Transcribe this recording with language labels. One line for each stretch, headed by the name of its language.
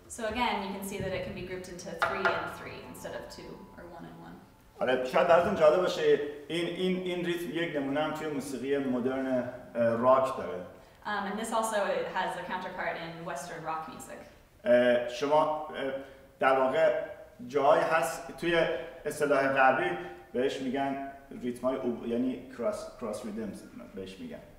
English: So again, you can see that it can be grouped into 3 and 3 instead of 2 or 1 and 1.
Persian: آره شاید براتون جالب باشه این ریتم یک نمونه هم توی موسیقی مدرن راک داره.
English: And this also has a counterpart in Western rock music.
Persian: شما در واقع جایی هست توی اصطلاح غربی بهش میگن ریتمای یعنی کراس ریدمز بهش میگن.